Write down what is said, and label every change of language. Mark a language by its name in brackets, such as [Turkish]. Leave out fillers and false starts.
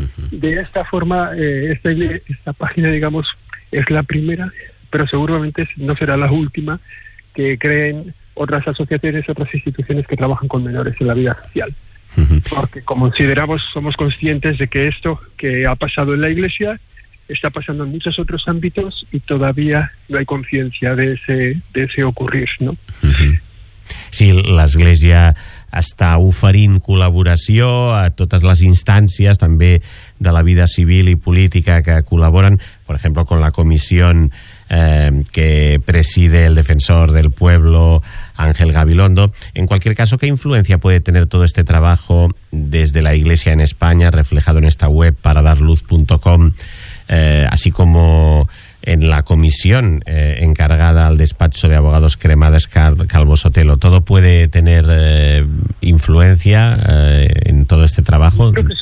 [Spanish] De esta forma, esta página, digamos, es la primera, pero seguramente no será la última que creen otras asociaciones, otras instituciones que trabajan con menores en la vida social. Porque consideramos, somos conscientes de que esto que ha pasado en la iglesia está pasando en muchos otros ámbitos y todavía no hay conciencia de ese ocurrir, ¿no? [Catalan] Sí, l'Església està oferint col·laboració a totes les instàncies, també de la vida civil i política, que col·laboren, per exemple, [Spanish] con la comisión que preside el defensor del pueblo, [Catalan] Ángel Gabilondo. [Spanish] En cualquier caso, ¿qué influencia puede tener todo este trabajo desde la Iglesia en España, reflejado en esta web para darluz.com, así como en la comisión encargada al despacho de abogados Cremades Calvo Sotelo? ¿Todo puede tener influencia en todo este trabajo?